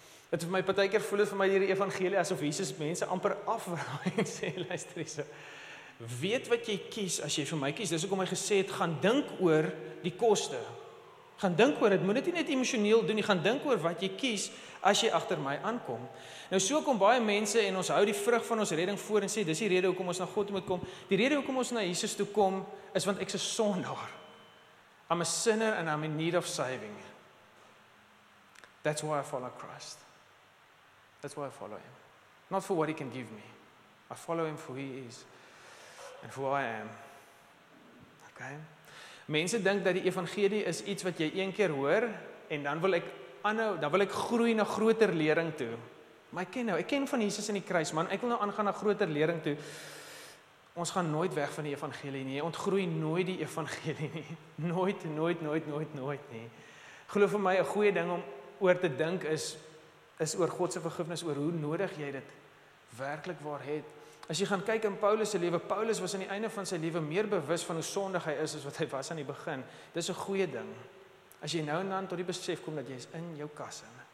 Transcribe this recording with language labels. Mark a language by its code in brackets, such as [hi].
[af] Het vir my partykeer voel het vir my hierdie evangelie, asof Jesus mense amper afraai en sê, luister hierso, weet wat jy kies as jy vir my kies, dis ook om my gesê het, gaan dink oor die koste, gaan dink oor, het moet dit nie net emosioneel doen, nie, gaan dink oor wat jy kies as jy agter my aankom. Nou so kom baie mense en ons hou die vrug van ons redding voor en sê, dis die rede hoekom ons na God moet kom, die rede hoekom ons na Jesus toe kom, is want ek is 'n sondaar. [en] I'm a sinner and I'm in need of saving. That's why I follow Christ. That's why I follow him. Not for what he can give me. I follow him for who he is and for who I am. Okay? [af] Mense dink dat die evangelie is iets wat jy een keer hoor en dan wil ek aanhou, dan wil ek groei na groter lering toe. Maar ek ken van Jesus in die kruis, man, ek wil nou aangaan na groter lering toe. Ons gaan nooit weg van die evangelie nie. Jy ontgroei nooit die evangelie nie. Nooit, nooit, nooit, nooit, nooit nie. Geloof in my, 'n goeie ding om oor te dink is oor God se vergifnis, oor hoe nodig jy dit werklik waar het. As jy gaan kyk in Paulus se lewe, Paulus was aan die einde van sy lewe meer bewus van hoe sondig hy is as wat hy was aan die begin. Dis 'n goeie ding. As jy nou en dan tot die besef kom dat jy is in jou kasse.